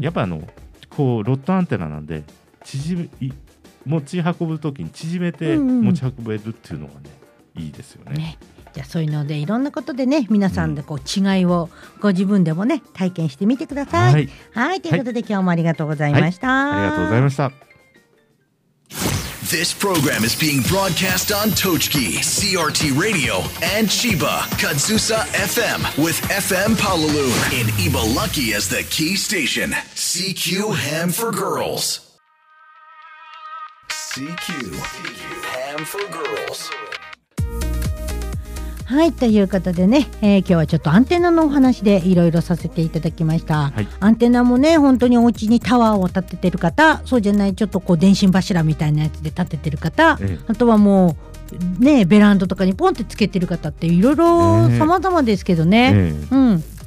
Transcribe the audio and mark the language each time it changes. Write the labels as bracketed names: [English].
[Japanese] やっぱあのこうロッドアンテナなんで縮め持ち運ぶときに縮めて持ち運べるっていうのがね、うんうん、いいですよ ね。じゃあそういうのでいろんなことでね、皆さんでこう違いをご自分でもね体験してみてください、うん、はい、ということで今日もありがとうございました、はいはい、ありがとうございました。 [English] This program is being broadcast on Tochigi CRT Radio and Chiba Kadzusa FM with FM Palaloon in Ibalaki as the key station CQ Ham for GirlsCQ Ham for Girls。 [Japanese] はい、ということでね、今日はちょっとアンテナのお話でいろいろさせていただきました、はい、アンテナもね本当にお家にタワーを建ててる方、そうじゃないちょっとこう電信柱みたいなやつで建ててる方、あとはもうねベランダとかにポンってつけてる方っていろいろ様々ですけどね、うん、